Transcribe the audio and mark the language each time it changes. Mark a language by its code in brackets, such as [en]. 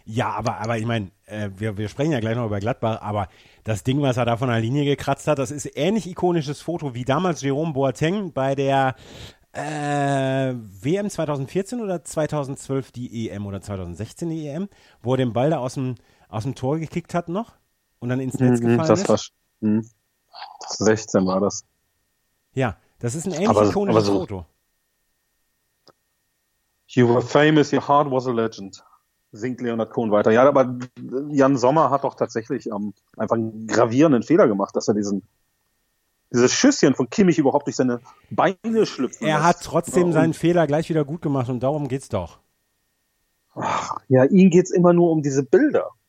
[en] Ja, aber ich meine, wir sprechen ja gleich noch über Gladbach, aber das Ding, was er da von der Linie gekratzt hat, das ist ähnlich ikonisches Foto wie damals Jerome Boateng bei der WM 2014 oder 2012 die EM oder 2016 die EM, wo er den Ball da aus dem Tor gekickt hat noch und dann ins Netz gefallen [de] das ist. War, 16 war das. Ja, das ist ein ähnlich ikonisches Foto. [en] You were famous, your heart was a legend, [de] singt Leonard Cohen weiter. Ja, aber Jan Sommer hat doch tatsächlich einfach einen gravierenden Fehler gemacht, dass er dieses Schüsschen von Kimmich überhaupt durch seine Beine schlüpft. Er hat trotzdem seinen Fehler gleich wieder gut gemacht und darum geht's doch. Ach, ja, ihm geht's immer nur um diese Bilder.